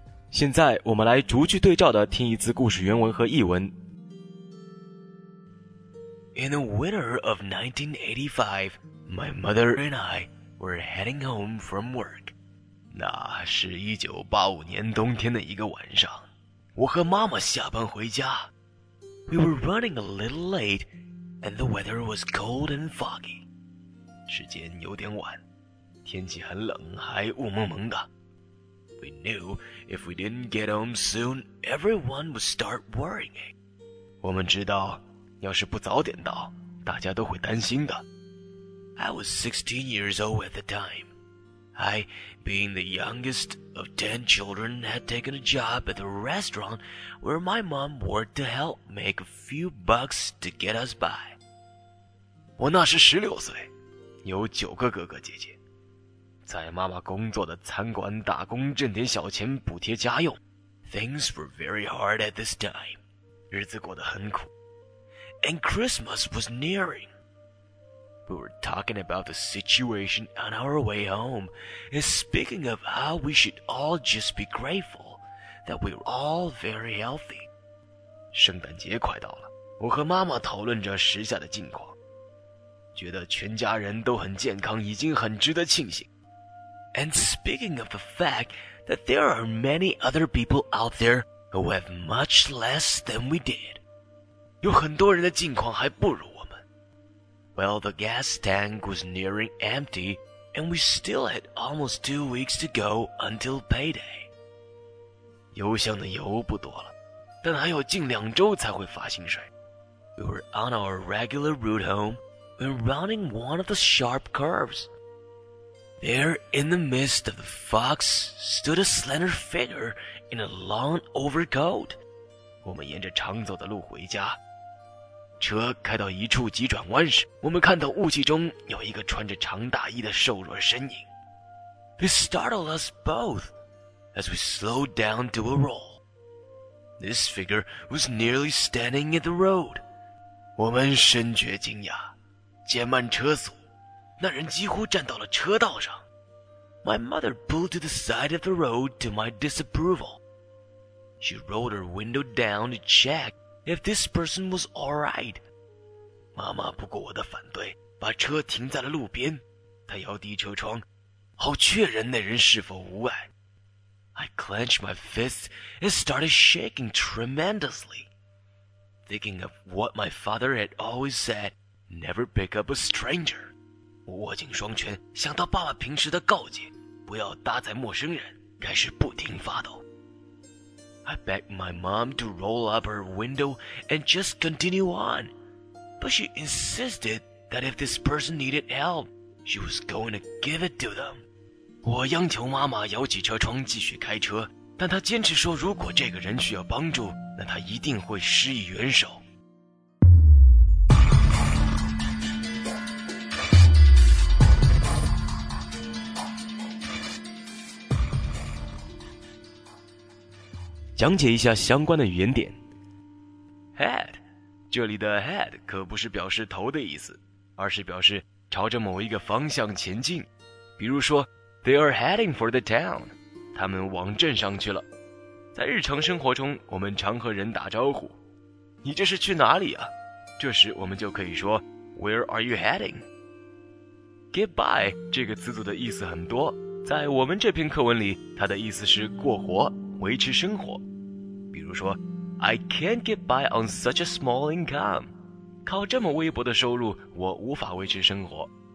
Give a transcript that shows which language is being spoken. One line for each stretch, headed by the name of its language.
Chinese: 现在我们来逐句对照的听一次故事原文和译文。
English: In the winter of 1985, my mother and I were heading home from work.
Chinese: 那是1985年冬天的一个晚上，我和妈妈下班回家。
English: We were running a little late, and the weather was cold and foggy.
Chinese: 时间有点晚，天气很冷，还雾蒙蒙的。
English: We knew if we didn't get home soon, everyone would start worrying.
Chinese: 我们知道，要是不早点到，大家都会担心的。
English: I was 16 years old at the time. I, being the youngest of 10 children, had taken a job at a restaurant where my mom worked to help make a few bucks to get us by.
Chinese: 我那时16岁，有九个哥哥姐姐，在妈妈工作的餐馆打工，挣点小钱补贴家用。
English: Things were very hard at this time.
Chinese: 日子过得很苦。
English: And Christmas was nearing. We were talking about the situation on our way home, and speaking of how we should all just be grateful that we were all very healthy.
Chinese: 圣诞节快到了，我和妈妈讨论着时下的近况，觉得全家人都很健康，已经很值得庆幸。
English: And speaking of the fact that there are many other people out there who have much less than we did.
Chinese: 有很多人的境况还不如我们。
English: Well, the gas tank was nearing empty, and we still had almost 2 weeks to go until payday.
Chinese: 油箱的油不多了，但还有近两周才会发薪水。
English: We were on our regular route home when rounding one of the sharp curves. There, in the midst of the fox, stood a slender figure in a long overcoat.
Chinese: 我们沿着常走的路回家。车开到一处急转弯时，我们看到雾气中有一个穿着长大衣的瘦弱身影。
English: This startled us both as we slowed down to a roll. This figure was nearly standing in the road.
Chinese: 我们深觉惊讶，减慢车速。那人几乎站到了车道上。
English: My mother pulled to the side of the road to my disapproval. She rolled her window down to check if this person was all right.
Chinese: 妈妈不顾我的反对，把车停在了路边。她摇低车窗，好确认那人是否无碍。 I clenched my fist and started shaking tremendously, thinking of what my father had always said, never pick up a stranger. 我握紧双拳，想到爸爸平时的告诫，不要搭载陌生人，开始不停发抖。 I begged my mom to roll up her window and just continue on, but she insisted that if this person needed help, she was going to give it to them. 我央求妈妈摇起车窗继续开车，但她坚持说如果这个人需要帮助，那她一定会施以援手。讲解一下相关的语言点。 Head， 这里的 head 可不是表示头的意思，而是表示朝着某一个方向前进。比如说 ，
English: They are heading for the town，
Chinese: 他们往镇上去了。在日常生活中，我们常和人打招呼，你这是去哪里啊？这时我们就可以说 ，
English: Where are you heading？
Chinese: Goodbye 这个词组的意思很多，在我们这篇课文里，它的意思是过活。维持生活，比如说
English: I can't get by on such a small income，
Chinese: 靠这么微薄的收入我无法维持生活。